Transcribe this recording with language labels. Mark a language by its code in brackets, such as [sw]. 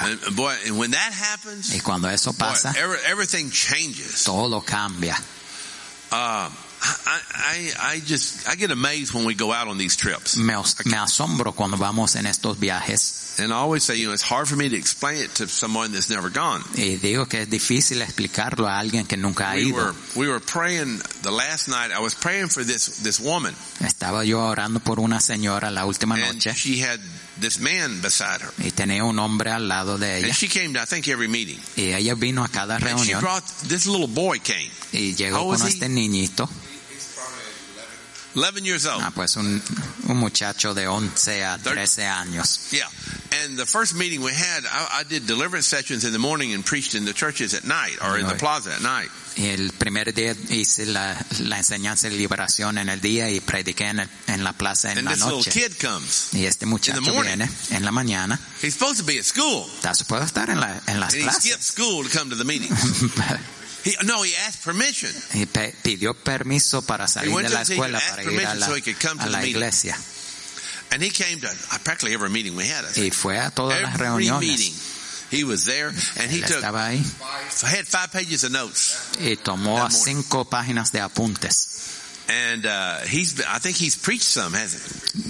[en] And, boy, and when that happens, [es] y cuando eso pasa, [en] boy, everything changes. [es] Todo cambia. [en] I get amazed when we go out on these trips. [es] Me asombro cuando vamos en estos viajes. [en] And I always say, you know, it's hard for me to explain it to someone that's never gone. [es] Y digo que es difícil explicarlo a alguien que nunca ha ido. [en] We were praying the last night. I was praying for this woman. [es] Estaba yo orando por una señora la última noche. [en] And she had this man beside her. [es] Y tenía un hombre al lado de ella. [en] And she came to, I think, every meeting. [es] Y ella vino a cada reunión. [en] And she brought this little boy came. [es] Y llegó con este niñito. [en] 11 years old. [es] Ah, pues un muchacho de 11 a 13 años. [en] Yeah. And the first meeting we had, I did deliverance sessions in the morning and preached in the churches at night or in the plaza at night. [es] Y el primer día hice la enseñanza de liberación en el día y prediqué en la plaza en [en] and [es] la [en] this [es] noche. [en] Little kid comes [es] y este muchacho viene en la mañana. [en] He's supposed to be at school. [es] Está supuesto estar en las [en] and [es] clases. [en] He skipped school to come to the meeting. He asked permission. [es] Y pidió permiso para salir de la escuela para ir a la iglesia. [en] And he came to practically every meeting we had. [es] Y fue a todas las reuniones. [en] Every meeting. He was there, and he had 5 pages of notes. [es] Y tomó 5 páginas de apuntes. [en] And I think he's preached some, hasn't he?